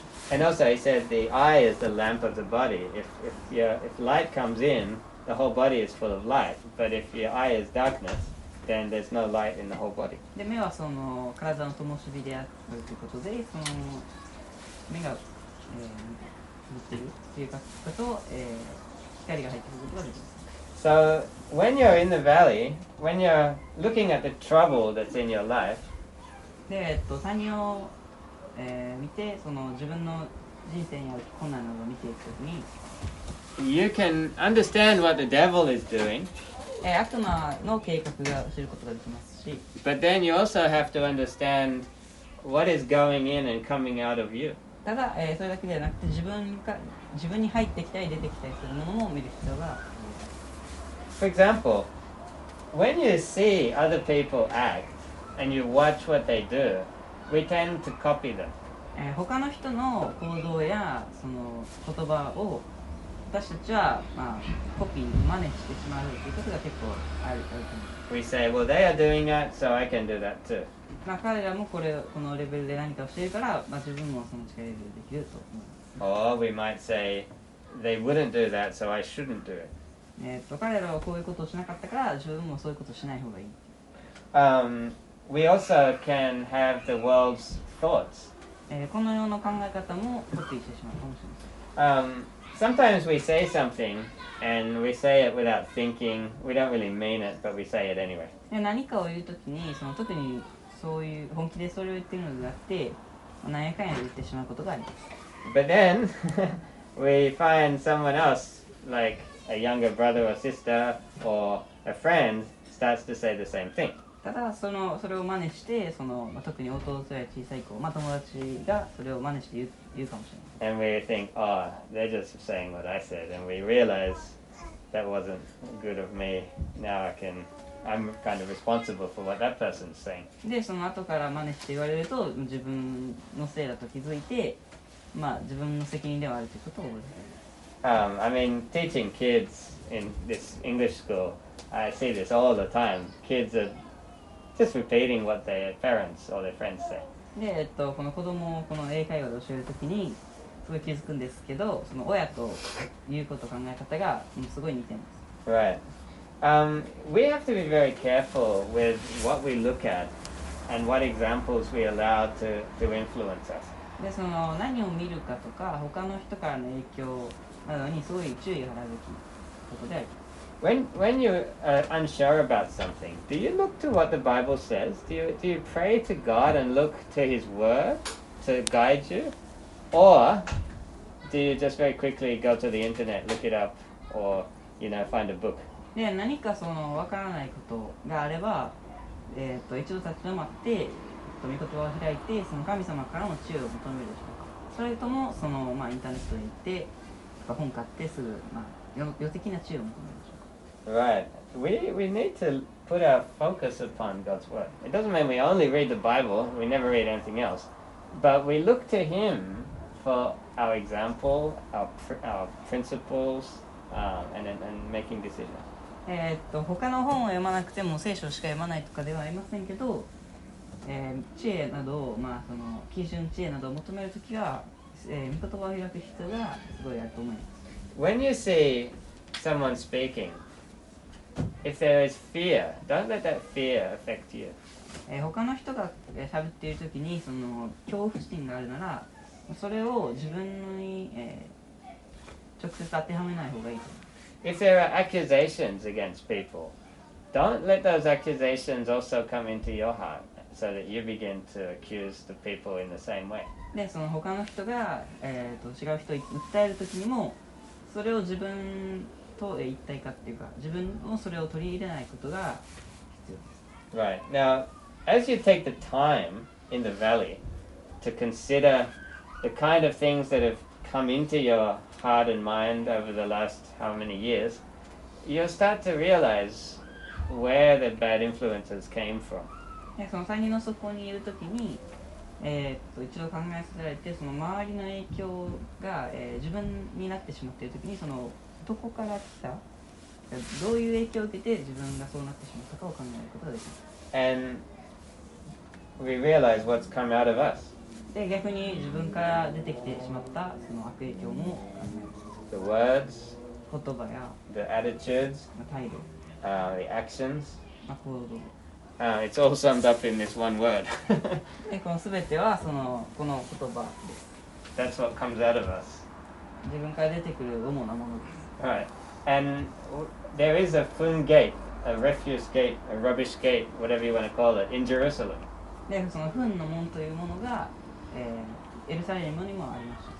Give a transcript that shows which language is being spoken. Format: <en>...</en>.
<en>And also he said the eye is the lamp of the body. If light comes in, the whole body is full of light. But if your eye is darkness, then there's no light in the whole body.</en> <ja>で、目はその体の灯火であるということで、その目が、持っているっていうことと、光が入ってくることができます。</ja> <en>So when you're in the valley, when you're looking at the trouble that's in your life,</en> <ja>で、谷を、見て、その自分の人生にある困難などを見ていくときに、</ja> <en>You can understand what the devil is doing.</en> <ja>悪魔の計画が知ることができますし、</ja> <en>But then you also have to understand what is going in and coming out of you.</en> <ja>ただ、それだけではなくて自分に入ってきたり出てきたりするものも見る必要がある。</ja> <en>For example, when you see other people act,And you watch what they do, we tend to copy them.</en> <ja>他の人の行動やその言葉を私たちは、まあ、コピー、真似してしまうということが結構ある。</ja> <en>We say, well, they are doing that, so I can do that too.</en> <ja>まあ彼らもこれこのレベルで何かをしているから、まあ、自分もその近いレベルできると思います。</ja> <en>Or we might say, they wouldn't do that, so I shouldn't do it.</en> <ja>彼らはこういうことをしなかったから、自分もそういうことをしない方がいい。</ja> <en>We also can have the world's thoughts.</en> <ja>この世の考え方もコピーしてしまうかもしれません。</ja> <en>Sometimes we say something and we say it without thinking. We don't really mean it, but we say it anyway.</en> <ja>何かを言うときに、その特にそういう本気でそれを言っているのではなくて、何やかんやで言ってしまうことがあります。</ja> <en>But then, we find someone else, like a younger brother or sister or a friend, starts to say the same thing.</en> <ja>ただそれを真似してその、まあ、特に弟や小さい子、まあ、友達がそれを真似して言うかもしれない。</ja> <en>And we think, oh, they're just saying what I said, and we realize that wasn't good of me. Now I'm kind of responsible for what that person's saying.</en> <ja>で、その後から真似して言われると、自分のせいだと気づいて、まあ、自分の責任ではあるということを覚えている。</ja> <en>I mean, teaching kids in this English school, I see this all the time. Kids areJust repeating what their parents or their friends say.</en> <ja>で、この子供をこの英会話で教えるときにすごい気づくんですけど、その親と言うこと考え方がすごい似てます。</ja> <en>Right. We have to be very careful with what we look at and what examples we allow to influence us.</en> <ja>でその何を見るかとか他の人からの影響などにすごい注意を払うべきことであります。</ja> <en>When you are unsure about something, do you look to what the Bible says? Do you pray to God and look to His Word to guide you? Or do you just very quickly go to the internet, look it up, or, you know, find a book?</en> <ja>で、何かその分からないことがあれば、一度立ち止まって、御言葉を開いて、その神様からの知恵を求めるでしょうか。それとも、その、まあ、インターネットに行って、とか本買ってすぐ、まあ、予的な知恵を求めるでしょうか。</ja> <en>We need to put our focus upon God's word. It doesn't mean we only read the Bible, we never read anything else. But we look to Him for our example, our principles, and making decisions.</en> <ja>他の本を読まなくても聖書しか読まないとかではありませんけど、知恵など、まあ、その基準知恵などを求めるときは、御言葉を開く人がすごいあると思います。</ja> <en>When you see someone speaking,If there is fear, don't let that fear affect you.</en> <ja>他の人が喋っているときにその恐怖心があるなら、それを自分に、直接当てはめない方がいい。</ja> <en>If there are accusations against people, don't let those accusations also come into your heart, so that you begin to accuse the people in the same way.</en> <ja>で、その他の人が、違う人を訴えるときにも、それを自分と一体化っていうか、自分もそれを取り入れないことが必要です。</ja> <en>Right. Now, as you take the time in the valley to consider the kind of things that have come into your heart and mind over the last how many years, you'll start to realize where the bad influences came from.</en> <ja>その山の底にいるときに、一度考えさせられて、その周りの影響が、自分になってしまっているときに、そのどこから来た？どういう影響を受けて自分がそうなってしまったかを考えることができます。</ja> <en>And we realize what's come out of us.</en> <ja>で、逆に自分から出てきてしまったその悪影響も考えます。</ja> <en>The words,</en> <ja>言葉や、</ja> <en>the attitudes,</en> <ja>態度、</ja> <en>the actions,</en> <ja>行動。</ja> <en>It's all summed up in this one word.</en> <ja>で、この全てはそのこの言葉です。</ja> <en>That's what comes out of us.</en> <ja>自分から出てくる主なものです。</ja> <en>Right. And there is a flume gate, a refuse gate, a rubbish gate, whatever you want to call it, in Jerusalem.</en> <ja>で、そのフンの門というものが、エルサレムにもあります。</ja>